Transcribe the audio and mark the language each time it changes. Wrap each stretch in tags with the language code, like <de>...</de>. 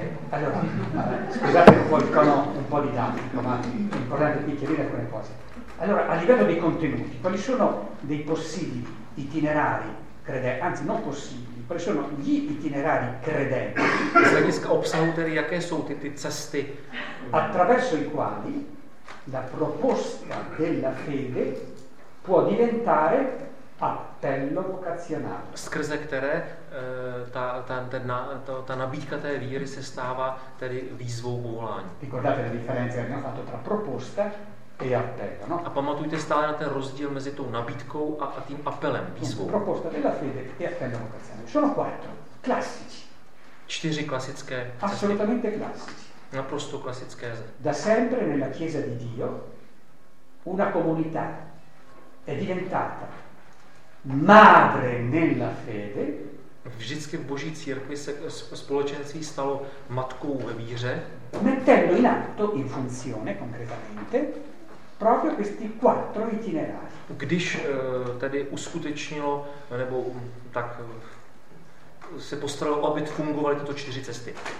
<it>Allora, scusate un po' didattico, ma è importante qui chiarire alcune cose. Allora, a livello dei contenuti, quali sono dei possibili itinerari credenti, anzi non possibili, quali sono gli itinerari credenti?</it> <cs>Z hlediska obsahu, tedy jaké jsou ty cesty?</cs> <it>Attraverso i quali la proposta della fede può diventare appello vocazionale.</it> <cs>Skrze které ta nabídka té víry se stává tedy výzvou povolání.</cs> <it>Ricordate la differenza che abbiamo fatto tra proposta e appello, no?</it> <cs>A pamatujte stále na ten rozdíl mezi tou nabídkou a tím apelem, výzvou.</cs> <it>Proposta della fede e appello vocazionale. Sono quattro classici.</it> <cs>Čtyři klasické.</cs> <it>Assolutamente classici.</it> <cs>Naprosto klasické.</cs> <it>Da sempre nella Chiesa di Dio una comunità è diventata madre nella fede.</it> <cs>Vždycky v Boží církvi se společenství stalo matkou ve víře.</cs> <it>Mettendo in atto, in funzione, concretamente, proprio questi quattro itinerari.</it> <cs>Když tedy uskutečnilo, nebo tak se postaralo, aby fungovaly tyto čtyři cesty.</cs>